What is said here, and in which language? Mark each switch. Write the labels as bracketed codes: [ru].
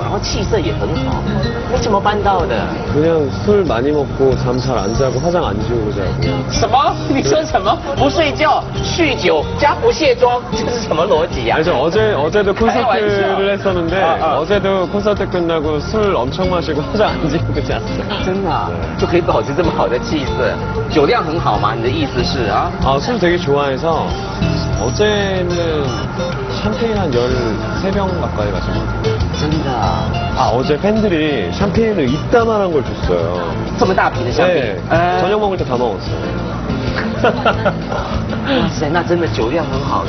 [zh] 啊，真的啊，哇，真的，所以各位男生也是我们可以好好打扮的时候，多多跟我们这些帅哥们学习一下。好，那还有什么保养之道呢？因为我现在近距离的看到他，各位粉丝当然你们会很羡慕，可是我好像一个观测员哦，那个皮肤好的不得了，然后气色也很好，那怎么办到的？ [ko] 그냥 술 많이 먹고 잠 잘 안 자고 화장 안 지우고 자고. [zh] 什么？你说什么？不睡觉，酗酒加不卸妆，这是什么逻辑呀？ [ko] 아니, 저 어제도 콘서트를 했었는데. 어제도 콘서트 끝나고 술 엄청 마시고 화장 안 지우고 잤어요. [zh] 真的啊，就可以保持这么好的气色，酒量很好吗？你的意思是啊？ [ko] 술 되게 좋아해서 어제는 샴페인 한 13병 가까이 마셨거든요. [zh] 真的啊？ [ko] 어제 팬들이 샴페인을 이따만한 걸 줬어요. [zh] 这么大瓶的香槟？ [ko] 네. 저녁 먹을 때 다 먹었어요. [zh] 哇塞，那真的酒量很好。